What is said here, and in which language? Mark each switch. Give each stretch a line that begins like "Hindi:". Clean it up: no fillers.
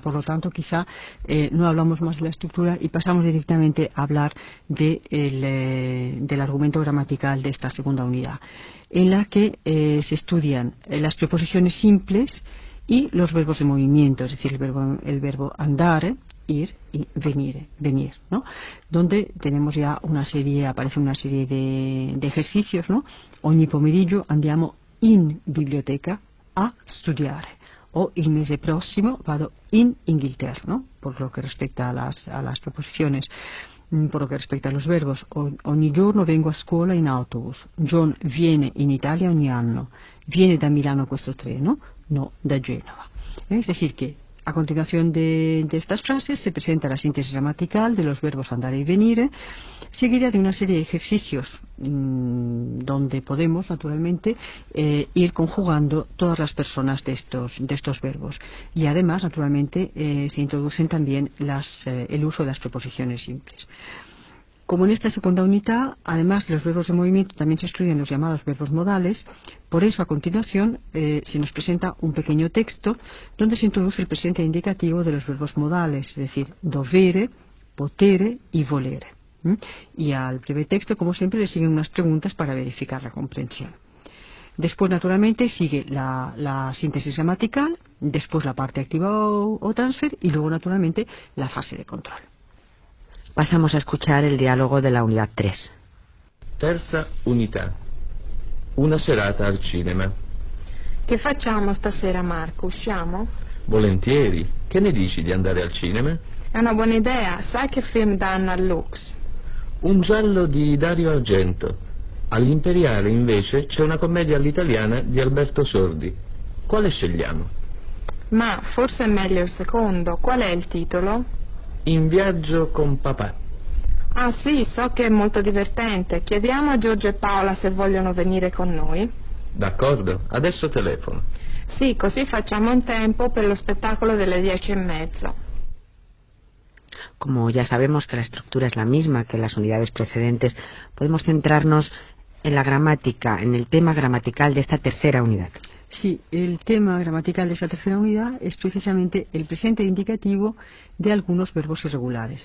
Spanish: Por lo tanto, quizá no hablamos más de la estructura y pasamos directamente a hablar del argumento gramatical de esta segunda unidad, en la que se estudian las preposiciones simples y los verbos de movimiento, es decir, el verbo andar, ir y venir, ¿no? Donde tenemos ya aparece una serie de ejercicios, ¿no?
Italian: Ogni pomeriggio andiamo in biblioteca a studiare. O il mese prossimo vado in Inghilterra, ¿no?
Spanish: Por lo que respecta a las preposiciones, por lo que respecta a los verbos.
Italian: Ogni giorno vengo a scuola in autobus. John viene in Italia ogni anno. Viene da Milano questo treno, no da Genova.
Spanish: Es decir que a continuación de estas frases se presenta la síntesis gramatical de los verbos andar y venir, seguida de una serie de ejercicios donde podemos, naturalmente, ir conjugando todas las personas de estos verbos. Y además, naturalmente, se introducen también el uso de las preposiciones simples. Como en esta segunda unidad, además de los verbos de movimiento, también se estudian los llamados verbos modales, por eso a continuación se nos presenta un pequeño texto donde se introduce el presente indicativo de los verbos modales, es decir, dovere, potere y volere. Y al breve texto, como siempre, le siguen unas preguntas para verificar la comprensión. Después, naturalmente, sigue la síntesis gramatical, después la parte activa o transfer y luego, naturalmente, la fase de control. Pasamos a escuchar el diálogo de la unidad 3.
Italian: Terza unità. Una serata al cinema. Che facciamo stasera, Marco? Usciamo? Volentieri. Che ne dici di andare al cinema? È una buona idea. Sai che film danno al Lux? Un giallo di Dario Argento. All'Imperiale, invece, c'è una commedia all'italiana di Alberto Sordi. Quale scegliamo? Ma forse è meglio il secondo. Qual è il titolo? In viaggio con papà. Ah sì, so che è molto divertente. Chiediamo a Giorgio e Paola se vogliono venire con noi. D'accordo, adesso telefono. Sì, così facciamo in tempo per lo spettacolo delle 10:30.
Spanish: Como ya sabemos que la estructura es la misma que las unidades precedentes, podemos centrarnos en la gramática, en el tema gramatical de esta tercera unidad. Sí, el tema gramatical de esta tercera unidad es precisamente el presente indicativo de algunos verbos irregulares.